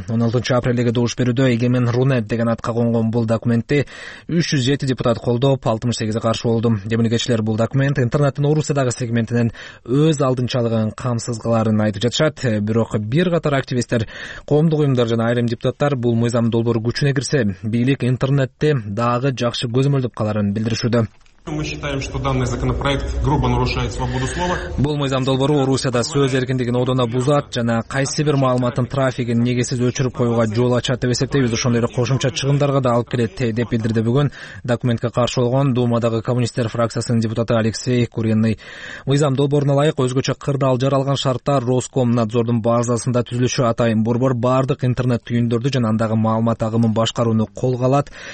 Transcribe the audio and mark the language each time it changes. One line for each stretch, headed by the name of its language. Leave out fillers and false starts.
Kyrgyz: 16 апрелдеги добуш берүүдө эгемен Рунет деген атка конгон бул документти 307 депутат колдоп, 68 каршы болду. Демилгечилер бул документ интернеттин Орусиядагы сегментинин өз алдынчалыгын камсыз кыларын айтып жатышат. Бирок бир катар активисттер, коомдук уюмдар жана айрым депутаттар бул мыйзам долбоору күчүнө кирсе, бийлик интернетти дагы жакшы көзөмөлдөп каларын билдиришүүдө.
Russian: Мы считаем, что данный законопроект грубо нарушает свободу слова.
Kyrgyz: Бул мыйзам долбоору Орусияда сөз эркиндигин одоно бузат жана кайсы бир маалыматтын трафигин негизсиз өчүрүп коюуга жол ачат деп эсептейбиз. Ошондой эле кошумча чыгымдарга да алып келет деп билдирди бүгүн документке каршы болгон Думадагы коммунисттер фракциясынын депутаты Алексей Куриный. Мыйзам долбооруна ылайык өзгөчө кырдаал жаралган шарттар Роскомнадзордун базасында түзүлүшү атайын борбор баардык интернет түйүндөрдү жана андагы маалымат агымын башкарууну колго алат.